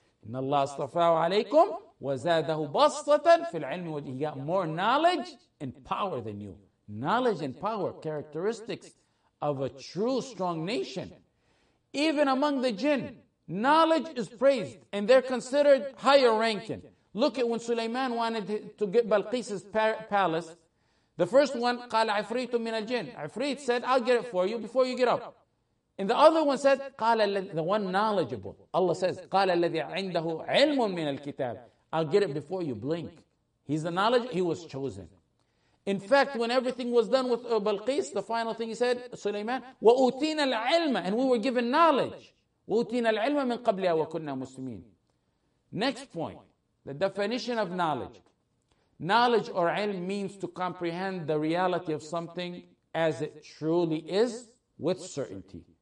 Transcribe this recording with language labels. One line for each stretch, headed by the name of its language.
Arabic: إِنَّ اللَّهَ اصْطَفَاهُ عَلَيْكُمْ وَزَادَهُ بَسْطَةً فِي الْعِلْمِ وَالْجِسْمِ.
English: He got more knowledge and power than you. Knowledge and power, characteristics of a true strong nation. Even among the jinn, knowledge is praised and they're considered higher ranking. Look at when Sulaiman wanted to get Balqis's palace. The first one,
Arabic: قَالَ عِفْرِيتٌ مِّنَ الْجِنِ.
English: Ifrit said, I'll get it for you before you get up. And the other one said, قَالَ the one knowledgeable. Allah says,
Arabic: قَالَ الَّذِي عِنْدَهُ عِلْمٌ مِّنَ الْكِتَابِ.
English: I'll get it before you blink. He's the knowledge, he was chosen. In fact, when everything was done with Balqis, the final thing he said, Sulaiman,
Arabic: وَأُوتِينَ الْعِلْمَ.
English: And we were given knowledge.
Arabic: وَأُوتِينَ الْعِلْمَ مِنْ قَبْلِهَا وَكُنَّا مُسْلِمِينَ.
English: Next point, the definition of knowledge. Knowledge or ilm means to comprehend the reality of something as it truly is with certainty.